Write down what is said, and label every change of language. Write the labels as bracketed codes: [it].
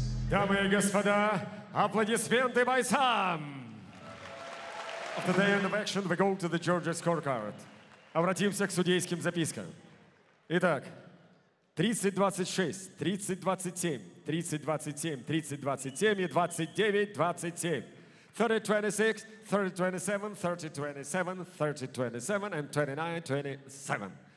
[ru] Дамы и господа, аплодисменты бойцам! [en] After the end of action, we go to the Georgia scorecard. [ru] Обратимся к судейским запискам. Итак, 30-26, 30-27, 30-27, 30-27 и 29-27. [en] 30-26, 30-27, 30-27, 30-27 and 29-27.